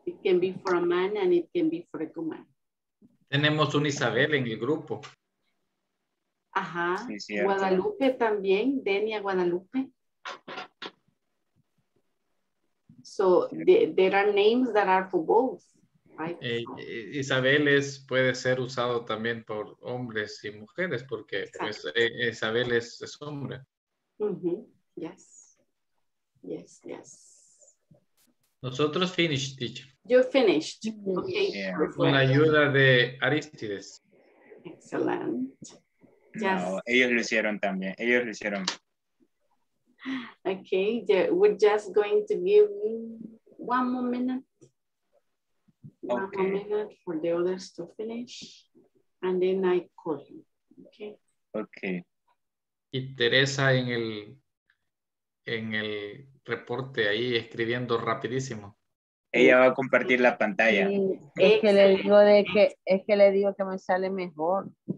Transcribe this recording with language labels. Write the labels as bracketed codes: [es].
[en] It can be for a man and it can be for a woman. [es] Tenemos un Isabel en el grupo. Ajá. Sí, Guadalupe también, Denia Guadalupe. [en] So there are names that are for both. Right. [es] Isabel es, puede ser usado también por hombres y mujeres porque pues, Isabel es hombre. [en] Mm-hmm. Yes. Yes, yes. [es] Nosotros [en] finished, teacher. You finished. Mm-hmm. Okay. Yeah. [es] Con la ayuda de Aristides. [en] Excellent. [es] Yes. No, ellos lo hicieron también. Ellos lo hicieron. [en] Okay. Yeah, we're just going to give you one more minute. One minute for the others to finish, and then I call you. Okay. [es] Y Teresa en el reporte ahí escribiendo rapidísimo. Ella va a compartir la pantalla. Sí, es que le digo que me sale mejor.